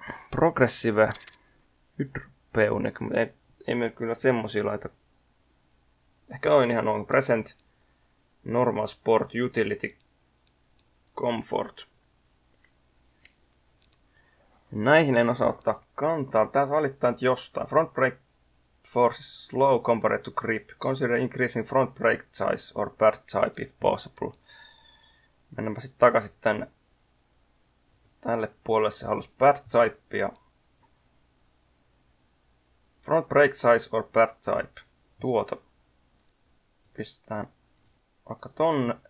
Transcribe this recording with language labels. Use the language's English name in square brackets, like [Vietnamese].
[Finnish] Progressive, Hydropeunik, mutta ei me kyllä semmosia laita. Ehkä noin ihan on Present, Normal Sport, Utility, Comfort. Näihin en osaa ottaa kantaa. Tää valittaa nyt jostain. [English] Front brake force is slow compared to grip. Consider increasing front brake size or pad type if possible. [Finnish] Mennäänpä sitten takaisin tänne. Tälle puolelle se halusi pad typea. [English] Front brake size or pad type. [Finnish] Tuota. Pistetään vaikka tonne.